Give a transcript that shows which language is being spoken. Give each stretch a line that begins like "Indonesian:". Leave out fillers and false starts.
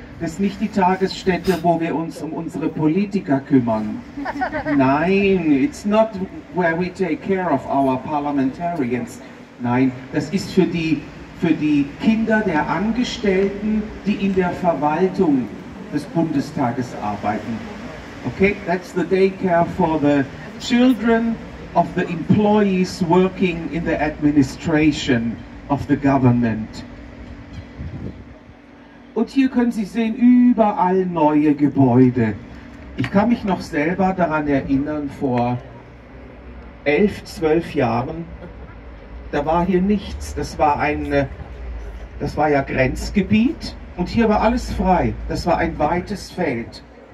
German: Das ist nicht die Tagesstätte, wo wir uns um unsere Politiker kümmern. Nein,
English: it's not where we take care of our parliamentarians.
German: Nein, das ist für die Kinder der Angestellten, die in der Verwaltung des Bundestages arbeiten.
English: Okay, that's the daycare for the children of the employees working in the administration of the government.
German: Und hier können Sie sehen, überall neue Gebäude. Ich kann mich noch selber daran erinnern, vor 11, 12 Jahren, da war hier nichts. Das war ja Grenzgebiet und hier war alles frei. Das war ein weites Feld.